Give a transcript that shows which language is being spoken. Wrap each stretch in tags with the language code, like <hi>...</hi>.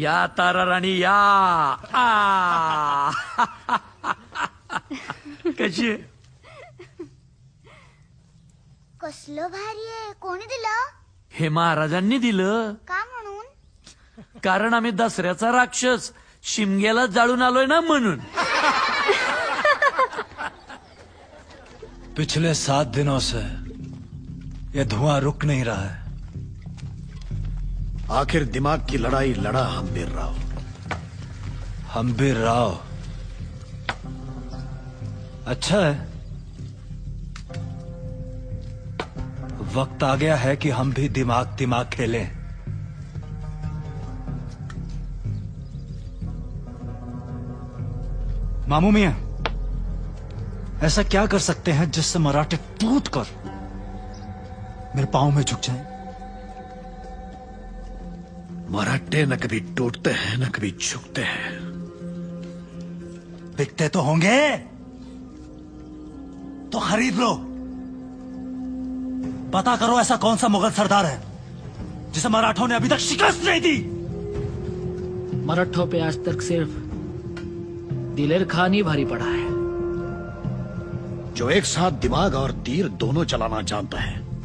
<mr>या तारा राणी या। कशी आहे? कसलं भारी आहे, कोणी दिलं? हे महाराजांनी दिलं। का म्हणून? कारण आम्ही दसऱ्याचा राक्षस शिमग्याला जाळून आलोय ना म्हणून.</mr> <hi>पिछले 7 दिनों से यह धुआं रुक नहीं रहा है. आखिर दिमाग की लड़ाई लड़ा हंबीर राव. हंबीर राव अच्छा है. वक्त आ गया है कि हम भी दिमाग दिमाग खेलें. मामू मियां ऐसा क्या कर सकते हैं जिससे मराठे टूट कर मेरे पांव में झुक जाएं? मराठे न कभी टूटते हैं न कभी झुकते हैं. बिकते तो होंगे तो खरीद लो. पता करो ऐसा कौन सा मुगल सरदार है जिसे मराठों ने अभी तक शिकस्त नहीं दी. मराठों पे आज तक सिर्फ दिलेर खान ही भारी पड़ा है. जो एक साथ दिमाग और तीर दोनों चलाना जानता है.</hi>